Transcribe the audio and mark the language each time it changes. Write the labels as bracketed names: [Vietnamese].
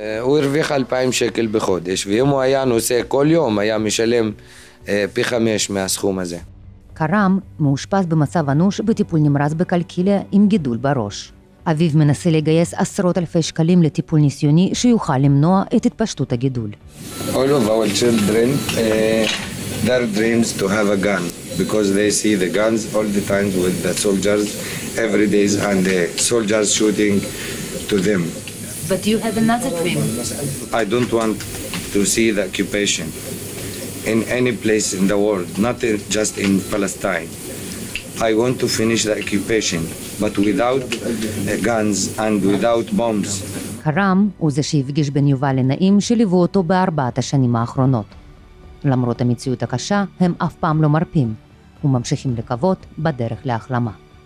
[Hebrew] הוא הרוויח 2,000 שקל בחודש, ואם הוא היה נוסע כל יום, היה משלם פי 5 מהסכום הזה. קרם מאושפז במצב אנוש בטיפול נמרץ בקלקיליה עם גידול בראש. אביו מנסה לגייס עשרות אלפי שקלים לטיפול ניסיוני שיוכל למנוע את התפשטות הגידול. [English] All of our children, their dreams to have a gun. Because they see the guns all the time with the soldiers every day and the soldiers shooting to them. But you have another dream. I don't want to see the occupation in any place in the world, not just in Palestine. I want to finish the occupation, but without guns and without bombs. [Hebrew] קרם הוא זה שהפגיש בין יובל לנעים שליוו אותו בארבעת השנים האחרונות. למרות המציאות הקשה, הם אף פעם לא מרפים. וממשיכים לקוות בדרך להחלמה.